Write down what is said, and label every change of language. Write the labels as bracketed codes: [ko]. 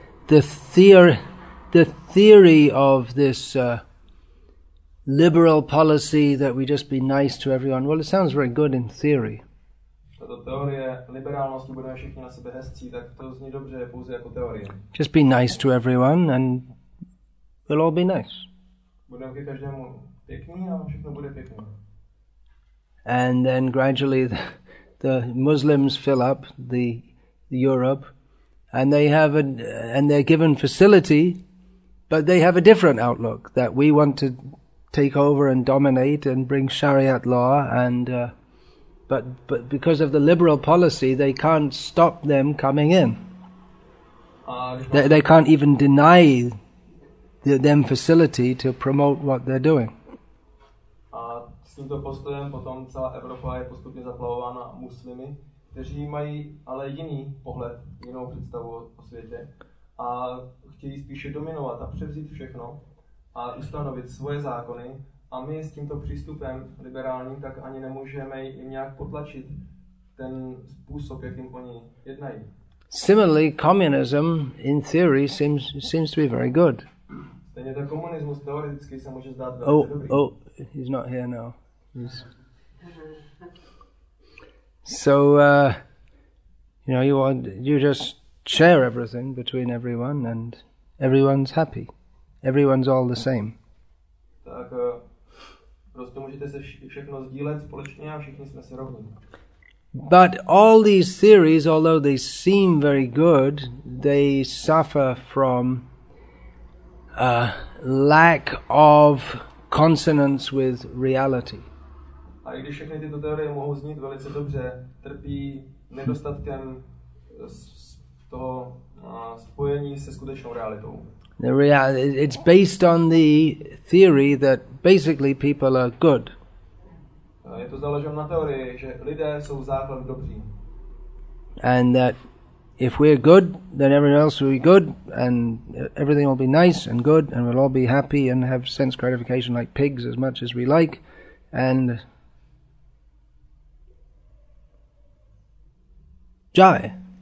[en] It's the theory of this liberal policy that we just be nice to everyone. Well, it sounds very good in theory. [cs] Liberálnosti, budeme všichni na sebe hezcí, tak to zní dobře, pouze jako teorie. [en] Just be nice to everyone and we'll all be nice. [cs] Budeme ke každému pěkný a všechno bude pěkný. [en] And then gradually the Muslims fill up the Europe and they're given facility, but they have a different outlook, that we want to take over and dominate and bring Shariat law and But because of the liberal policy, they can't stop them coming in. They can't even deny them facility to promote what they're doing. [cs] A s tímto postojem potom celá Evropa je postupně zaplavována muslimy, kteří mají ale jiný pohled, jinou představu o světě a chtějí spíše dominovat a převzít všechno a ustanovit svoje zákony. A my s tímto přístupem liberálním tak ani nemůžeme jim nějak potlačit ten způsob, jakým oni jednají. [en] Similarly, communism in theory seems to be very good. [cs] Stejně tak komunismus teoreticky se může zdát velmi dobrý. [en] Oh, he's not here now. He's... So, you just share everything between everyone and everyone's happy. Everyone's all the same. [cs] Tak, prostě můžete se všechno sdílet společně a všichni jsme si rovní. [en] But all these theories, although they seem very good, they suffer from a lack of consonance with reality. [cs] A i když všechny tyto teorie mohou znít velice dobře, trpí nedostatkem toho spojení se skutečnou realitou. [en] It's based on the theory that basically people are good. [cs] Je to založeno na teorii, že lidé jsou základ dobří. [en] And that if we're good, then everyone else will be good, and everything will be nice and good, and we'll all be happy and have sense gratification like pigs as much as we like, and jai.